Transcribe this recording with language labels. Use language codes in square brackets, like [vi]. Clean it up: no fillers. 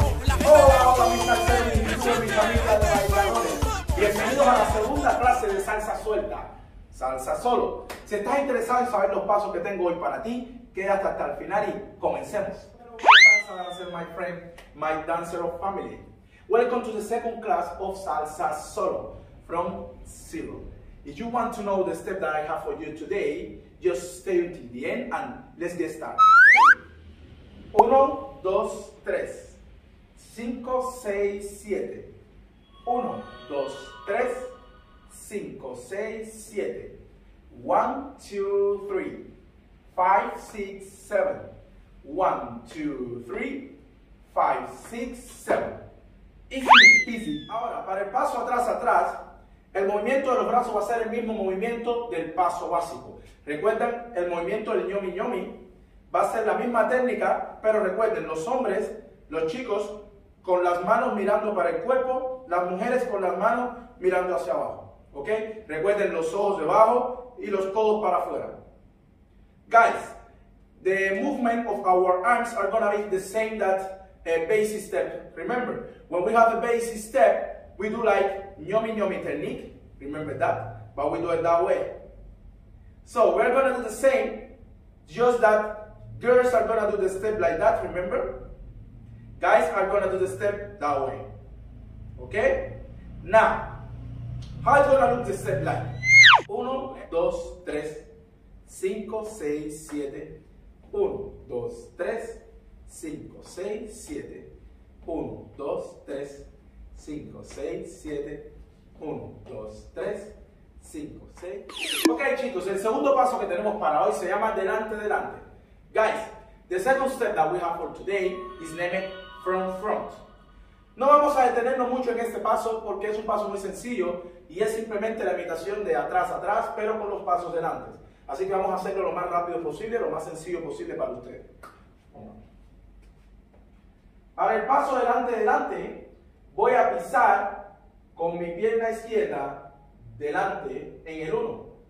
[es] Hola, hola, mis parceros, mis amigos, mis amigas de bailadores. Bienvenidos a la segunda clase de salsa suelta. Salsa solo. Si estás interesado en saber los pasos que tengo hoy para ti, quédate hasta el final y comencemos. [en] Salsa dancer, my friend, my dancer of family. Welcome to the second class of salsa solo from Zero. If you want to know the step that I have for you today, just stay until the end and let's get started. [es] Uno, dos, tres. Cinco, seis, siete. Uno, dos, tres. Cinco, seis, siete. [en] One, two, three. Five, six, seven. One, two, three. Five, six, seven. Easy, easy. [es] Ahora, para el paso atrás, atrás, el movimiento de los brazos va a ser el mismo movimiento del paso básico. Recuerden, el movimiento del ñomi ñomi va a ser la misma técnica, pero recuerden, los hombres, los chicos, con las manos mirando para el cuerpo, las mujeres con las manos mirando hacia abajo. ¿Ok? Recuerden los ojos debajo y los codos para afuera. [en] Guys, the movement of our arms are going to be the same that a basic step. Remember, when we have a basic step, we do like ñomi ñomi technique. Remember that? But we do it that way. So we're going to do the same, just that girls are going to do the step like that, remember? Guys are going to do the step that way. Okay? Now, how is going to look the step like? [es] Uno, dos, tres, cinco, seis, siete. Uno, dos, tres, cinco, seis, siete. Uno, dos, tres, cinco, seis, siete. Uno, dos, tres, cinco, seis. Ok, chicos, el segundo paso que tenemos para hoy se llama delante, delante. [en] Guys, the second step that we have for today is named front, front. [es] No vamos a detenernos mucho en este paso porque es un paso muy sencillo y es simplemente la imitación de atrás, atrás, pero con los pasos delante. Así que vamos a hacerlo lo más rápido posible, lo más sencillo posible para ustedes. Para el paso delante, delante, voy a pisar con mi pierna izquierda delante en el 1.